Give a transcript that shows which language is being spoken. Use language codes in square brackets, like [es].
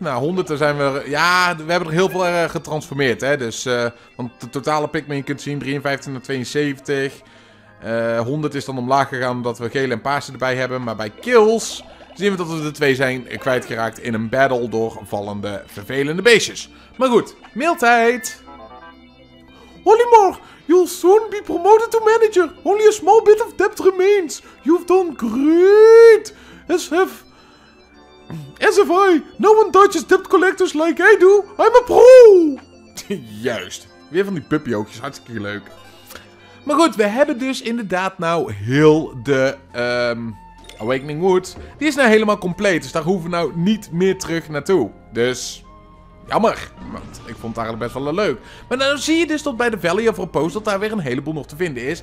[nl] Nou, 100 zijn we... Ja, we hebben er heel veel getransformeerd, hè. Dus, want de totale Pikmin, je kunt zien, 53 naar 72. 100 is dan omlaag gegaan omdat we gele en paarse erbij hebben. Maar bij kills zien we dat we de twee zijn kwijtgeraakt in een battle door vallende, vervelende beestjes. Maar goed, maaltijd. [en] Hollymore, you'll soon be promoted to manager. Only a small bit of debt remains. You've done great. As have I. No one touches debt collectors like I do. I'm a pro. [nl] Juist. Weer van die puppy oogjes. Hartstikke leuk. Maar goed, we hebben dus inderdaad nou heel de Awakening Woods. Die is nou helemaal compleet. Dus daar hoeven we nou niet meer terug naartoe. Dus... jammer, want ik vond het eigenlijk best wel leuk. Maar dan zie je dus dat bij de Valley of Repose dat daar weer een heleboel nog te vinden is.